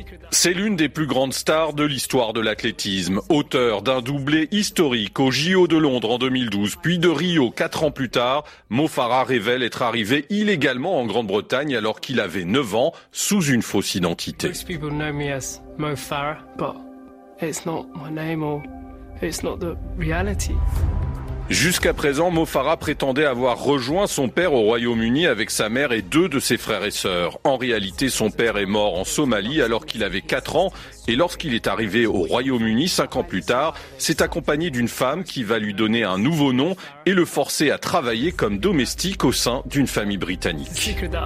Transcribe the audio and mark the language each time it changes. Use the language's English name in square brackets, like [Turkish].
[French] C'est l'une des plus grandes stars de l'histoire de l'athlétisme, auteur d'un doublé historique aux JO de Londres en 2012, puis de Rio 4 ans plus tard. Mo Farah révèle être arrivé illégalement en Grande-Bretagne alors qu'il avait 9 ans, sous une fausse identité. [English] Most people know me as Mo Farah, but it's not my name or it's not the reality. [French] Jusqu'à présent, Mo Farah prétendait avoir rejoint son père au Royaume-Uni avec sa mère et 2 de ses frères et sœurs. En réalité, son père est mort en Somalie alors qu'il avait 4 ans. Et lorsqu'il est arrivé au Royaume-Uni 5 ans plus tard, c'est accompagné d'une femme qui va lui donner un nouveau nom et le forcer à travailler comme domestique au sein d'une famille britannique.